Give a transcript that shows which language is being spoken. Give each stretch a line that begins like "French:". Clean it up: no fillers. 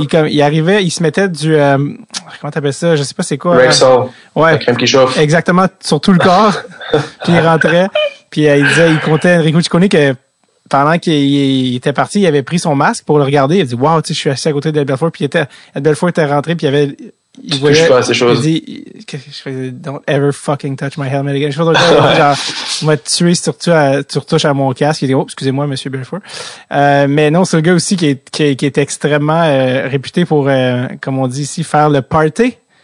French: Il se mettait du, comment t'appelles ça? Je sais pas c'est quoi. Rexall. Ouais. La crème qui chauffe. Exactement, sur tout le corps. Puis, il rentrait. Puis, il comptait Enrico Ciccone que, pendant qu'il était parti, il avait pris son masque pour le regarder. Il a dit, waouh, tu sais, je suis assis à côté d'Ed Belfour. Puis Ed Belfour était rentré. Puis il voyait. Je touche pas à ces choses. Il dit,
English: don't ever fucking touch my helmet again.
French: Je suis genre, je vais te tuer si tu retouches à mon casque. Il dit, oh, excusez-moi, monsieur Belfour. Mais non, c'est le gars aussi qui est extrêmement réputé pour, comme on dit ici, faire le party.